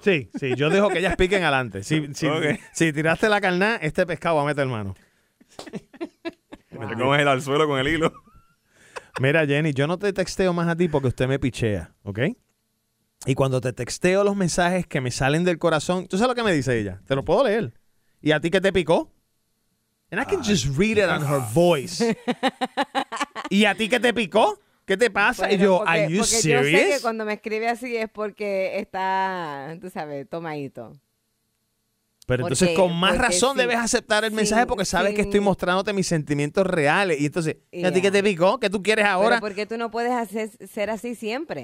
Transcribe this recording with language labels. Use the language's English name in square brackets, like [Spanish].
[Spanish] Sí, sí. Yo dejo que ellas piquen adelante. Si tiraste la carná, este pescado va a meter mano. Wow. Te comes el anzuelo con el hilo. Mira, Jenny, yo no te texteo más a ti porque usted me pichea, ¿ok? Y cuando te texteo los mensajes que me salen del corazón, ¿tú sabes lo que me dice ella? Te lo puedo leer. ¿Y a ti qué te picó? [English] And I can just read it on her voice. [Spanish] ¿Y a ti qué te picó? ¿Qué te pasa? Bueno, y yo, porque, [English] are you serious? [Spanish] Yo sé que cuando me escribe así es porque está, tú sabes, tomadito. Pero entonces con más razón debes aceptar el mensaje porque sabes que estoy mostrándote mis sentimientos reales. Y entonces, ¿y a ti qué te picó? ¿Qué tú quieres ahora? Pero porque tú no puedes hacer, ser así siempre.